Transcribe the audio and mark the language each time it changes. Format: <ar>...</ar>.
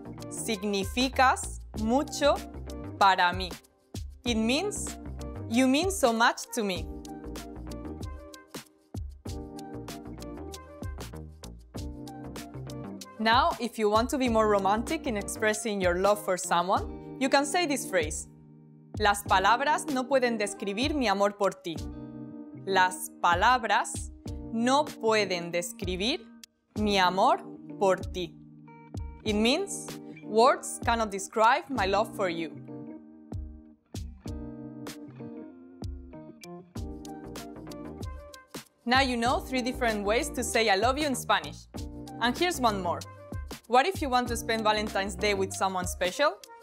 <es>Significas mucho para mí.</es> <en>It means, you mean so much to me. Now, if you want to be more romantic in expressing your love for someone, you can say this phrase.</en> <es>Las palabras no pueden describir mi amor por ti. Las palabras no pueden describir mi amor por ti.</es> <en>It means, words cannot describe my love for you. Now you know three different ways to say I love you in Spanish. And here's one more. What if you want to spend Valentine's Day with someone special?</en>